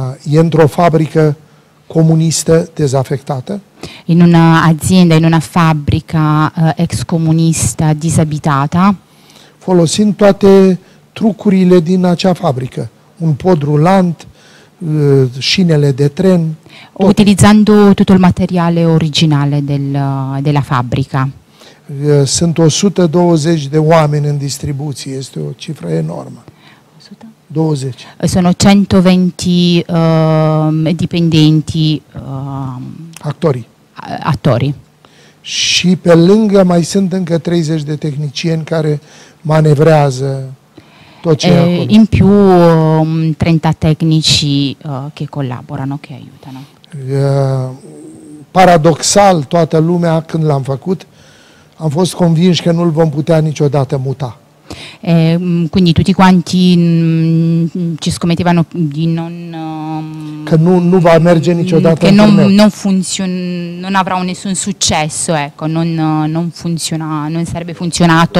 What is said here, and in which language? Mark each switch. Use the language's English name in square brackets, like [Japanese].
[Romanian] E într-o fabrică comunistă dezafectată. [Italian] In un'azienda, in una fabbrica ex comunista disabitata. [Romanian] Folosind toate trucurile din acea fabrică. Un pod rulant, șinele de tren, totul. [Italian] Utilizzando tutto il materiale originale della fabbrica. [Romanian] Sunt 120 de oameni în distribuție, este o cifră enormă. 20. [Italian] Sono 120 dipendenti [Romanian] Actorii. [Italian] attori. [Romanian] Și pe lângă mai sunt încă 30 de tehnicieni care manevrează tot ce e acolo. [Italian] In più 30 tecnici che collaborano, che aiutano. [Romanian] Paradoxal, toată lumea când l-am făcut, am fost convinși că nu-l vom putea niciodată muta. [Italian] Quindi tutti quanti ci scommettevano di non [Romanian] Că nu va merge niciodată [Italian] che [Romanian] în turneu. [Italian] Non avrà nessun successo, ecco, non funziona, non sarebbe funzionato